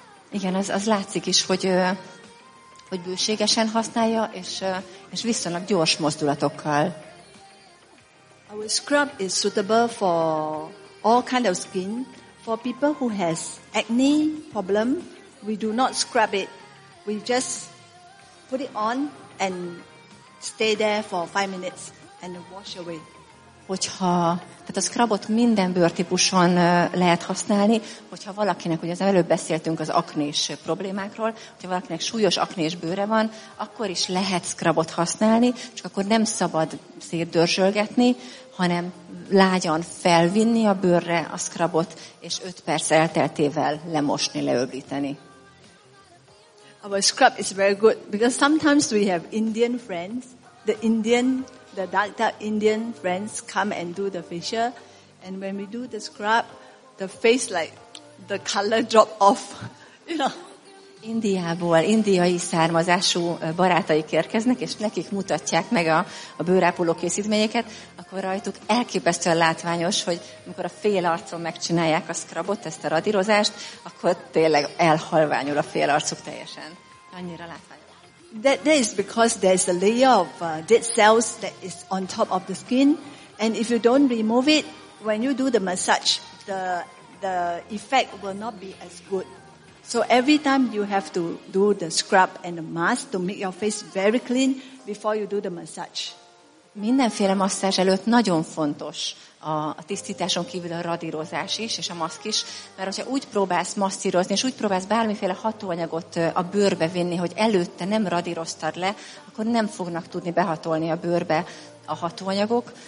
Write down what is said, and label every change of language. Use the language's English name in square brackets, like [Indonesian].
[Hungarian] Igen, az látszik is, hogy bőségesen használja, és viszonylag gyors mozdulatokkal. [English] Our scrub is suitable for all kind of skin. For people who has acne problem, we do not scrub it. We just put it on and stay there for 5 minutes and wash away. [Hungarian] Hogyha, tehát a scrubot minden bőrtípuson lehet használni, hogyha valakinek, ugye az előbb beszéltünk az aknés problémákról, hogyha valakinek súlyos aknés bőre van, akkor is lehet scrubot használni, csak akkor nem szabad szétdörzsölgetni, hanem lágyan felvinni a bőrre a scrubot, és 5 perc elteltével lemosni, leöblíteni. [English] Our scrub is very good, because sometimes we have Indian friends, the doctor Indian friends come and do the facial, and when we do the scrub, the face like the color drop off, you know. [Hungarian] Indiából, indiai származású barátaik érkeznek, és nekik mutatják meg a bőrápoló készítményeket, akkor rajtuk elképesztően látványos, hogy amikor a fél arcon megcsinálják a scrubot, ezt a radírozást, akkor tényleg elhalványul a fél arcuk teljesen. Annyira látványos. [English] That is because there's a layer of dead cells that is on top of the skin, and if you don't remove it, when you do the massage, the effect will not be as good. So every time you have to do the scrub and the mask to make your face very clean before you do the massage. [Hungarian] Mindenféle masszázs előtt nagyon fontos a tisztításon kívül a radírozás is, és a maszk is, mert hogyha úgy próbálsz masszírozni, és úgy próbálsz bármiféle hatóanyagot a bőrbe vinni, hogy előtte nem radíroztad le, akkor nem fognak tudni behatolni a bőrbe a hatóanyagok.